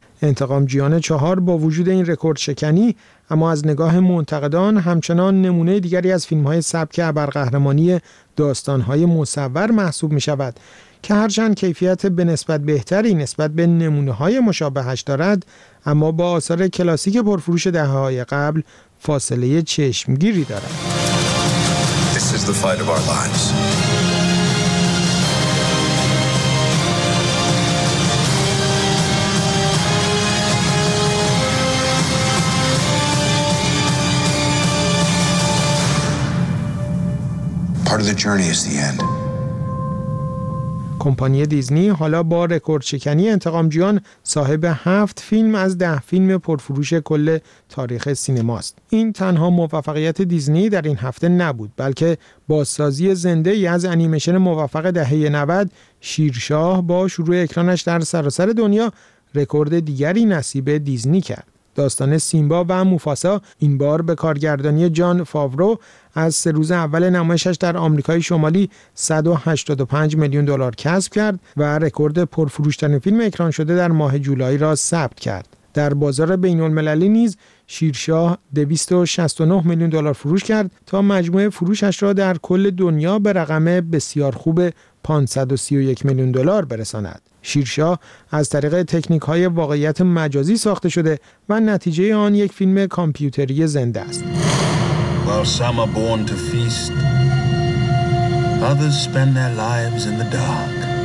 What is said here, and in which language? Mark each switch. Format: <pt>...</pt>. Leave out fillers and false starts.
<fa>انتقام جیان 4 با وجود این رکورد شکنی، اما از نگاه منتقدان همچنان نمونه دیگری از فیلم‌های سبک ابرقهرمانی داستان‌های مصور محسوب می‌شود که هرچند کیفیت به نسبت بهتری نسبت به نمونه‌های مشابهش دارد، اما با آثار کلاسیک پرفروش دهه‌های قبل فاصله چشمگیری دارد.</fa> <en>This is the fight of our lives. Part of the journey is the end.</en> <fa>کمپانی دیزنی حالا با رکوردشکنی انتقام جویان صاحب 7 فیلم از 10 فیلم پرفروش کل تاریخ سینماست. این تنها موفقیت دیزنی در این هفته نبود، بلکه بازسازی زنده ای از انیمیشن موفق دهه 90 شیرشاه با شروع اکرانش در سراسر دنیا رکورد دیگری نصیب دیزنی کرد. داستان سیمبا و موفاسا این بار به کارگردانی جان فاورو از 3 روز اول نمایشش در آمریکای شمالی 185,000,000 دلار کسب کرد و رکورد پرفروش‌ترین فیلم اکران شده در ماه جولای را ثبت کرد. در بازار بین‌المللی نیز شیرشاه 269,000,000 دلار فروش کرد تا مجموع فروشش را در کل دنیا به رقم بسیار خوب 531,000,000 دلار برساند. شیرشاه از طریق تکنیک‌های واقعیت مجازی ساخته شده و نتیجه آن یک فیلم کامپیوتری زنده است.</fa> <en>While some are born to feast, others spend their lives in the dark.</en>